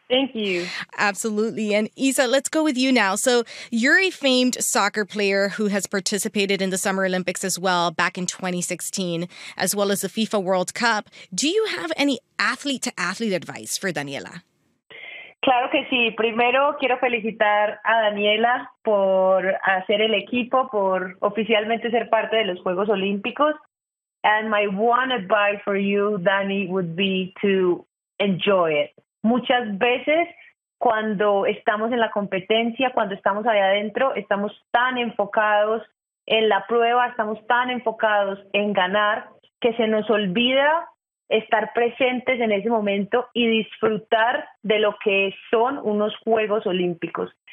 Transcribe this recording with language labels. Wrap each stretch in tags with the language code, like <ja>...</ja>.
<en>Thank you. Absolutely. And Isa, let's go with you now. So you're a famed soccer player who has participated in the Summer Olympics as well back in 2016, as well as the FIFA World Cup. Do you have any athlete-to-athlete advice for Daniella?</en> <es>Claro que sí. Primero quiero felicitar a Daniella por hacer el equipo, por oficialmente ser parte de los Juegos Olímpicos.</es> <en>And my one advice for you, Dani, would be to enjoy it.</en> <es>Muchas veces cuando estamos en la competencia, cuando estamos allá adentro, estamos tan enfocados en la prueba, estamos tan enfocados en ganar, que se nos olvida estar presentes en ese momento y disfrutar de lo que son unos Juegos Olímpicos.</es>